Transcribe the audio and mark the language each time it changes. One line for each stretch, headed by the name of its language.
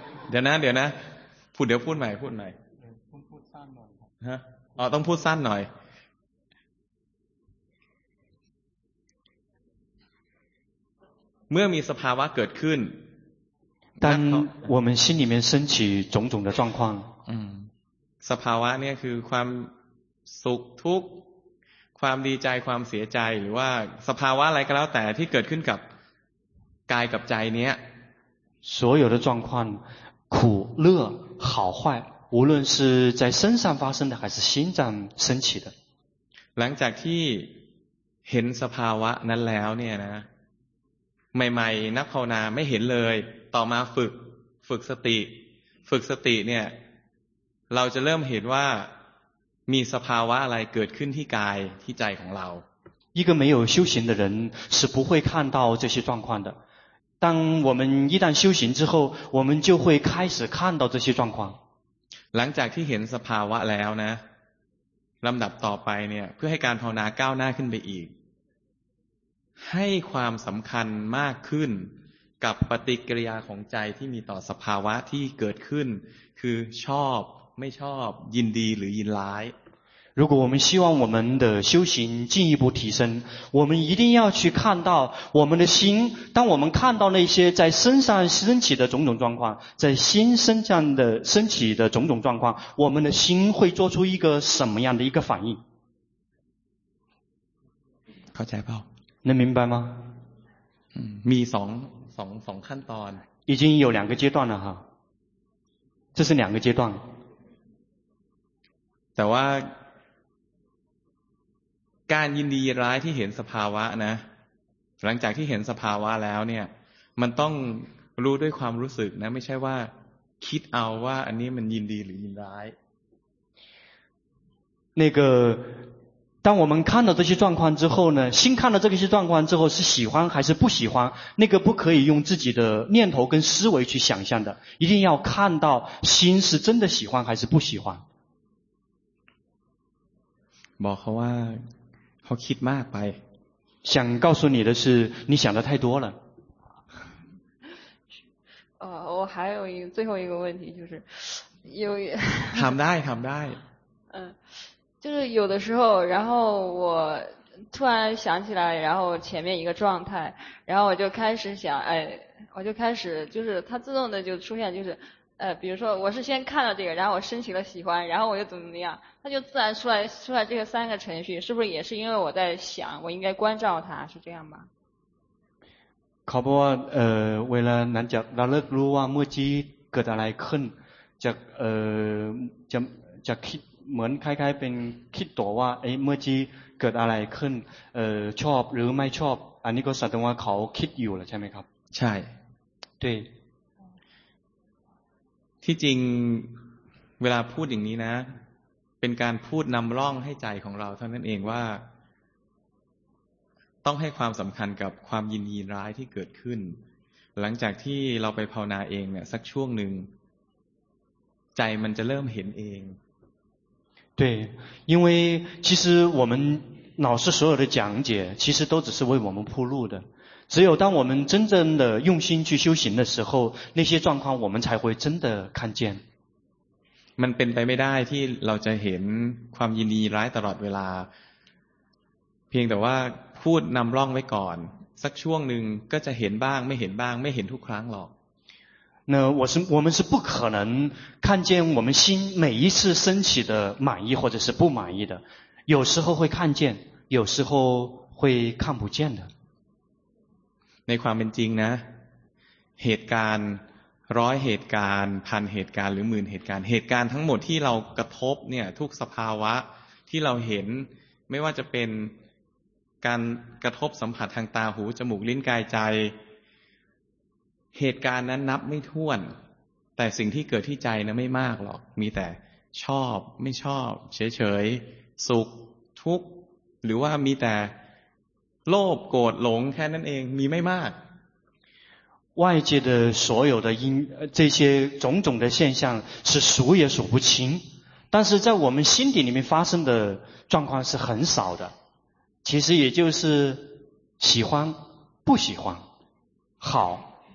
Thai: เดี๋ยวนะเดี๋ยวนะพูดเดี๋ยวพูดใหม่พูดใหม่พูดสั้นหน่อย ฮะอ๋อต้องพูดสั้นหน่อยเมื่อมีสภาวะเกิดขึ้น
Chinese: 当我们心里面升起种种的状况
Thai: สภาวะเนี่ยคือความสุขทุกข์ความดีใจความเสียใจหรือว่าสภาวะอะไรก็แล้วแต่ที่เกิดขึ้นกับกายกับใจเนี้ย
Chinese: 所有的状况苦乐好坏无论是在身上发生的还是心脏升起的
Thai: หลังจากที่เห็นสภาวะนั้นแล้วเนี่ยนะใหม่ๆนักภาวนาไม่เห็นเลยต่อมาฝึกสติฝึกสติเนี่ยเราจะเริ่มเห็นว่ามีสภาวะอะไรเกิดขึ้นที่กายที่ใจของเรา
Chinese: 一个没有修行的人是不会看到这些状况的当我们一旦修行之后我们就会开始看到这些状况
Thai: หลังจากที่เห็นสภาวะแล้วนะลำดับต่อไปเนี่ยเพื่อให้การภาวนาก้าวหน้าขึ้นไปอีกให้ความสำคัญมากขึ้นกับปฏิกิริยาของใจที่มีต่อสภาวะที่เกิดขึ้นคือชอบไม่ชอบยินดีหรือยินร้าย
Chinese: 如果我们希望我们的修行进一步提升我们一定要去看到我们的心当我们看到那些在身上升起的种种状况在心身上的升起的种种状况我们的心会做出一个什么样的一个反应靠财报能明白吗
Thai: มี2ขั้นตอน
Chinese: 已经有两个阶段了哈这是两个阶段
Thai: แต่ว่าการยินดีร้ายที่เห็นสภาวะนะหลังจากที่เห็นสภาวะแล้วเนี่ยมันต้องรู้ด้วยความรู้สึกนะไม่ใช่ว่าคิดเอาว่าอันนี้มันยินดีหรือยินร้าย
Chinese: 那个当我们看到这些状况之后呢心看到这些状况之后是喜欢还是不喜欢那个不可以用自己的念头跟思维去想象的一定要看到心是真的喜欢还是不喜欢
Thai: บอกเขาว่าเขาคิดมากไป
Chinese: 想告诉你的是你想的太多了我还有一个最后一个问题就是有
Thai: ทำได้ทำได้
Chinese: 就是有的时候然后我突然想起来然后前面一个状态然后我就开始想哎我就开始就是它自动的就出现就是比如说我是先看到这个然后我升起了喜欢然后我又怎么怎么样它就自然出来这个三个程序是不是也是因为我在想我应该关照它是这样吧考不为了能讲那了如果莫及给他来看叫去
Thai: เหมือนคล้ายๆเป็นคิดตัวว่าเมื่อกี้เกิดอะไรขึ้นชอบหรือไม่ชอบอันนี้ก็แสดงว่าเขาคิดอยู่แล้วใช่ไหมครับ ใช่
Chinese: 对
Thai: ที่จริงเวลาพูดอย่างนี้นะเป็นการพูดนำร่องให้ใจของเราเท่านั้นเองว่าต้องให้ความสำคัญกับความยินดีร้ายที่เกิดขึ้นหลังจากที่เราไปภาวนาเองเนี่ยสักช่วงหนึ่งใจมันจะเริ่มเห็นเอง
Chinese: 对因为其实我们老师所有的讲解其实都只是为我们铺路的只有当我们真正的用心去修行的时候那些状况我们才会真的看见
Thai: มันเป็นไปไม่ได้ที่เราจะเห็นความยินดีร้ายตลอดเวลาเพียงแต่ว่าพูดนำร่องไว้ก่อนสักช่วงนึงก็จะเห็นบ้างไม่เห็นบ้างไม่เห็นทุกครั้งหรอก
Chinese: 那我们是不可能看见我们心每一次升起的满意或者是不满意的，有时候会看见，有时候会看不见的。
Thai: ในความเป็นจริงนะเหตุการณ์ร้อยเหตุการณ์พันเหตุการณ์หรือหมื่นเหตุการณ์เหตุการณ์ทั้งหมดที่เรากระทบเนี่ยทุกสภาวะที่เราเห็นไม่ว่าจะเป็นการกระทบสัมผัสทางตาหูจมูกลิ้นกายใจ เหตุการณ์นั้นนับไม่ถ้วนแต่สิ่งที่เกิดที่ใจนะไม่มากหรอกมีแต่ชอบไม่ชอบเฉยๆสุขทุกข์หรือว่ามีแต่โลภโกรธหลงแค่นั้นเองมีไม่มาก
Chinese: 外界的所有的因这些种种的现象是数也数不清但是在我们心底里面发生的状况是很少的其实也就是喜欢不喜欢好